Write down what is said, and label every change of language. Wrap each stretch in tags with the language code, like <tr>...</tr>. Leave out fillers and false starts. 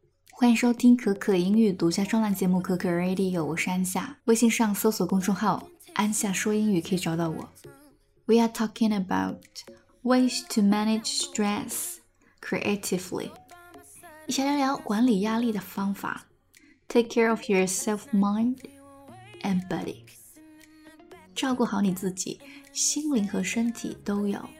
<zh>欢迎收听可可英语独家专栏节目《可可 Radio》，我是安夏。微信上搜索公众号“安夏说英语”可以找到我。</zh> <en>We are talking about ways to manage stress creatively。</en> <zh>一起来聊聊管理压力的方法。</zh> <en>Take care of yourself, mind and body。</en> <zh>照顾好你自己，心灵和身体都有。</zh>